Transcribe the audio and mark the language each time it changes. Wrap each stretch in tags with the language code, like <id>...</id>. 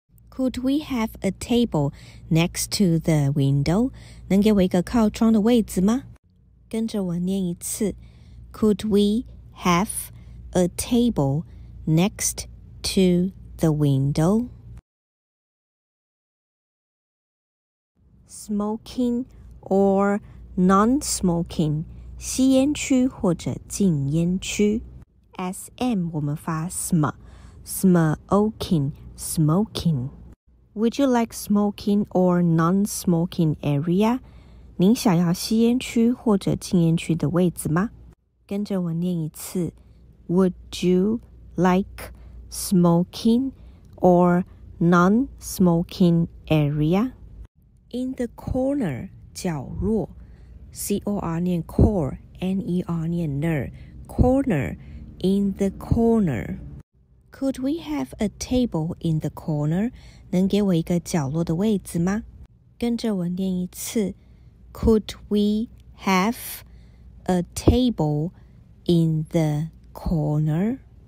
<en>Could we have a table next to the window?</en> <zh>能给我一个靠窗的位置吗？跟着我念一次。</zh> <en>Could we have a table next to the window? Smoking or non-smoking,</en> <zh>吸烟区或者禁烟区。</zh> <en>SM</en> <zh>我们发</zh> <en>sm, smoking, smoking. Would you like smoking or non-smoking area?</en> <zh>您想要吸烟区或者禁烟区的位置吗？跟着我念一次。</zh> <en>Would you like smoking or non-smoking area? In the corner, 角落 C-O-R 念 core, N-E-R 念 ner, corner, in the corner. Could we have a table in the corner?</en> <zh>能给我一个角落的位置吗？跟着我念一次。</zh> <en>Could we have a table in the corner?</en>